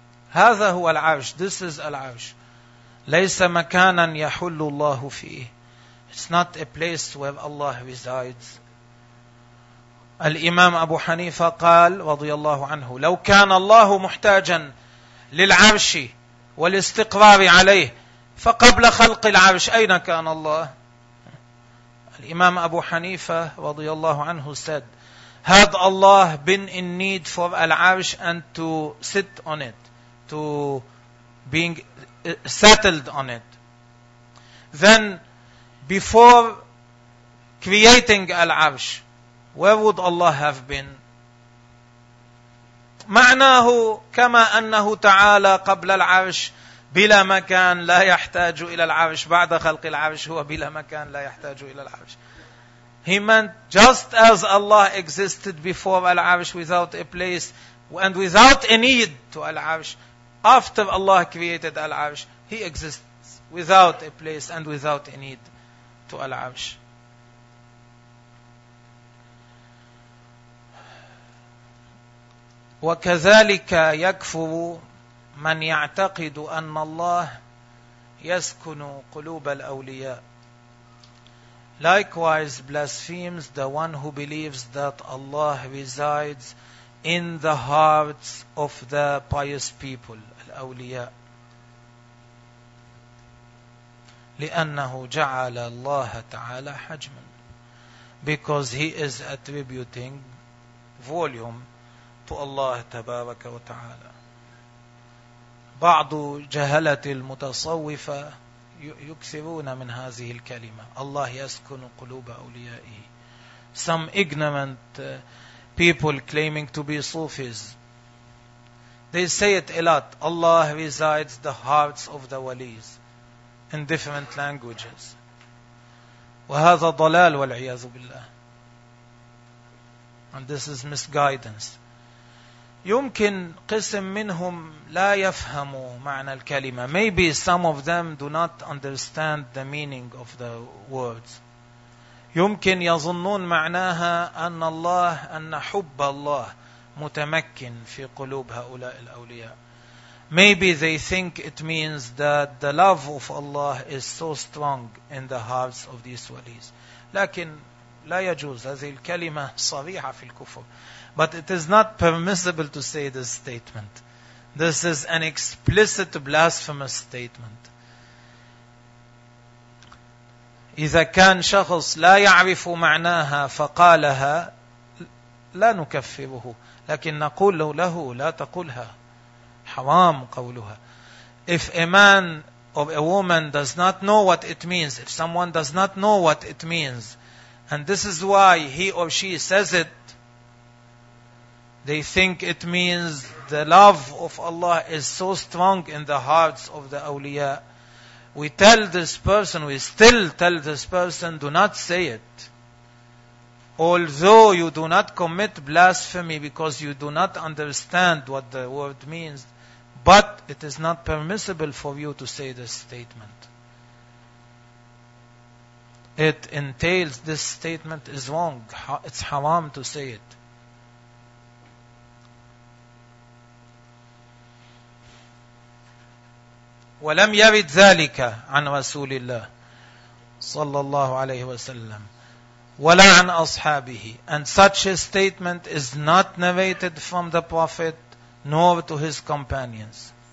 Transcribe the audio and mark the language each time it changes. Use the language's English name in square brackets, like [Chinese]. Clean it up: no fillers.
[Arabic] هذا هو العرش. [English] This is العرش. [Arabic] ليس مكانا يحل الله فيه. [English] It's not a place where Allah resides. [Arabic] الإمام أبو حنيفة قال رضي الله عنه لو كان الله محتاجا للعرش والاستقرار عليه فقبل خلق العرش أين كان الله؟ [English] الإمام أبو حنيفة [Arabic] رضي الله عنه [English] said had Allah been in need for العرش and to sit on it, to being settled on it, then before creating Al-Arsh, where would Allah have been? [Arabic] معناه كما أنه تعالى قبل العرش بلا مكان لا يحتاج إلى العرش بعد خلق العرش هو بلا مكان لا يحتاج إلى العرش. [English] He meant just as Allah existed before Al-Arsh without a place and without a need to Al-Arsh, after Allah created Al-Arsh, He exists without a place and without a need to Al-Arsh. [Arabic] وكذلك يكفر من يعتقد أن الله يسكن قلوب الأولياء. [English] Likewise blasphemes the one who believes that Allah resides in the hearts of the pious people. [Arabic] أولياء لأنه جعل الله تعالى حجما [English] because he is attributing volume to Allah [Arabic] تبارك وتعالى. بعض جهلة المتصوفة يكثرون من هذه الكلمة الله يسكن قلوب أوليائه. [English] Some ignorant people claiming to be Sufis, they say it a lot. Allah resides the hearts of the walis in different languages. [Arabic] وهذا ضلال والعياذ بالله. [English] And this is misguidance. [Arabic] يمكن قسم منهم لا يفهموا معنى الكلمة. [English] Maybe some of them do not understand the meaning of the words. [Arabic] يمكن يظنون معناها أن الله أن حب الله متمكن في قلوب هؤلاء الأولياء. [English] Maybe they think it means that the love of Allah is so strong in the hearts of these walis. [Arabic] لكن لا يجوز, هذه الكلمة صريحة في الكفر. [English] But it is not permissible to say this statement. This is an explicit blasphemous statement. إذا كان شخص لا يعرف معناها فقالها لا نكفره, لكن نقول له لا تقولها, حرام قولها. If a man or a woman does not know what it means, if someone does not know what it means, and this is why he or she says it, they think it means the love of Allah is so strong in the hearts of the awliya. We still tell this person, do not say it. Although you do not commit blasphemy because you do not understand what the word means, but it is not permissible for you to say this statement. It entails, this statement is wrong. It's haram to say it. [Arabic] ولم يرد ذلك عن رسول الله صلى الله عليه وسلم ولا عن أصحابه. [English] And such a statement is not narrated from the Prophet nor to his companions.